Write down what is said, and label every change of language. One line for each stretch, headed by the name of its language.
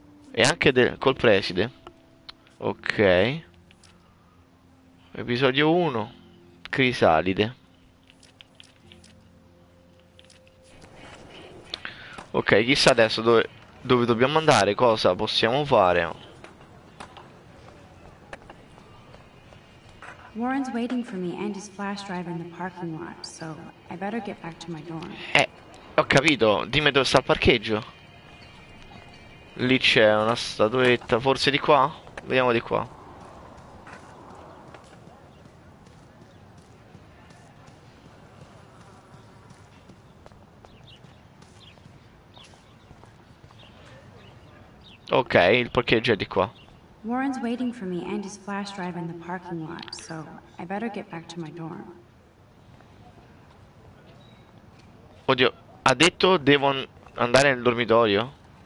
Italian: E anche col preside. Ok. Episodio 1. Crisalide. Ok, chissà adesso dove dobbiamo andare, cosa possiamo fare.
English: Warren's waiting for me and his flash drive in the parking lot, so I better get back to my dorm.
Italian: Ho capito, dimmi dove sta il parcheggio. Lì c'è una statuetta, forse di qua? Vediamo di qua. Ok, il parcheggio è di qua.
English: Warren's waiting for me and his flash drive in the parking lot, so I better get back to my dorm.
Italian: Oddio, ha detto devo andare nel dormitorio?